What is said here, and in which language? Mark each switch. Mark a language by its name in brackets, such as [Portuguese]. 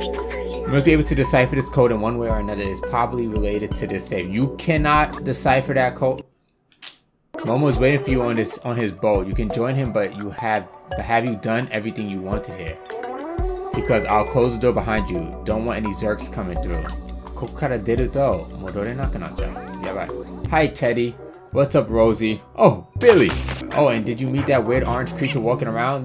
[English] You must be able to decipher this code in one way or another. It's probably related to this safe. You cannot decipher that code. Momo is waiting for you on his boat. You can join him, but have you done everything you want to hear? Because I'll close the door behind you. Don't want any zerks coming through. [Japanese] ここから出ると戻れなくなっちゃう。やばい。 [English] Hi, Teddy. What's up, Rosie? Oh, Billy. Oh, and did you meet that weird orange creature walking around?